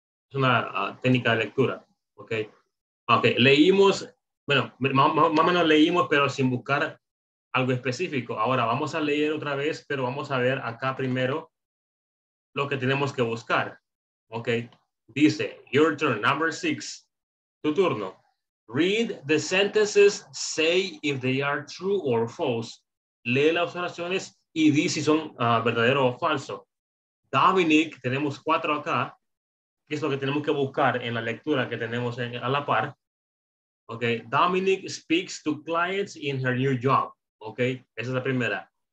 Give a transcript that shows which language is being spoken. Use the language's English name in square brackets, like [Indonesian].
[Spanish] Es una técnica de lectura, ¿ok? Ok, leímos, bueno, más o menos leímos, pero sin buscar algo específico. Ahora vamos a leer otra vez, pero vamos a ver acá primero lo que tenemos que buscar, ¿ok? Dice, [English] your turn, number 6, [Spanish] tu turno. [English] Read the sentences, say if they are true or false. [Spanish] Lee las oraciones y di si son verdadero o falso. Dominic, tenemos 4 acá, que es lo que tenemos que buscar en la lectura que tenemos a la par. [English] Okay. Dominic speaks to clients in her new job. Okay. [Spanish] Esa es la primera.